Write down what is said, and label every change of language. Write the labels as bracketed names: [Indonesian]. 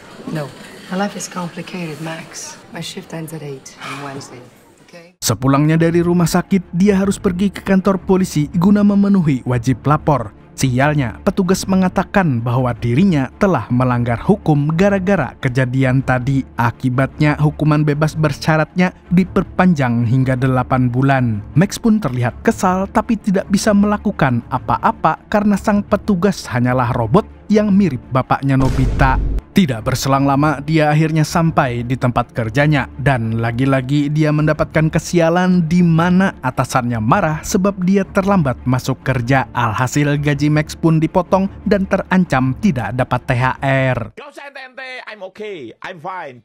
[English] No, my life is complicated, Max. My shift ends at 8 on Wednesday. [Indonesian] Sepulangnya dari rumah sakit, dia harus pergi ke kantor polisi guna memenuhi wajib lapor. Sialnya, petugas mengatakan bahwa dirinya telah melanggar hukum gara-gara kejadian tadi. Akibatnya, hukuman bebas bersyaratnya diperpanjang hingga 8 bulan. Max pun terlihat kesal tapi tidak bisa melakukan apa-apa karena sang petugas hanyalah robot yang mirip bapaknya Nobita. Tidak berselang lama, dia akhirnya sampai di tempat kerjanya. Dan lagi-lagi dia mendapatkan kesialan di mana atasannya marah sebab dia terlambat masuk kerja. Alhasil gaji Max pun dipotong dan terancam tidak dapat THR. Gak usah ente-ente, [English] I'm okay, I'm fine.